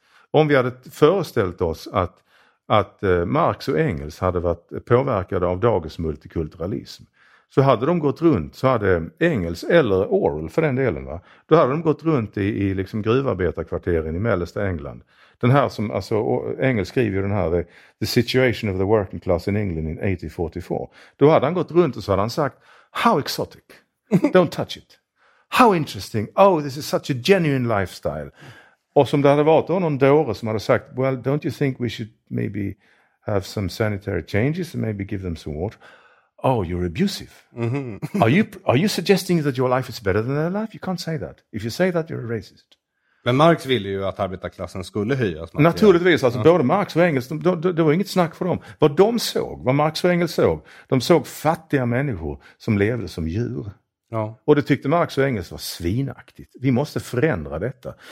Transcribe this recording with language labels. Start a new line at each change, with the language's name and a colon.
Swedish: Om vi hade föreställt oss att Marx och Engels hade varit påverkade av dagens multikulturalism, så hade de gått runt, så hade Engels eller Orwell för den delen, va, då hade de gått runt i liksom gruvarbetarkvarteren i mellersta England. Den här som, alltså, Engels skriver ju den här The Situation of the Working Class in England in 1844. Då hade han gått runt och så hade han sagt:
English: How exotic, don't touch it. How interesting, oh this is such a genuine lifestyle.
Swedish: Och som det hade varit då någon dåre som hade sagt:
English: Well, don't you think we should maybe have some sanitary changes and maybe give them some water? Oh, you're abusive. Mm-hmm. Are you suggesting that your life is better than their life? You can't say that. If you say that, you're a racist.
Swedish: Men Marx ville ju att arbetarklassen skulle höjas. Naturligtvis. Alltså, både Marx och Engels, det var inget snack för dem. Vad de såg, vad Marx och Engels såg, de såg fattiga människor som levde som djur. Ja. Och det tyckte Marx och Engels var svinaktigt. Vi måste förändra detta.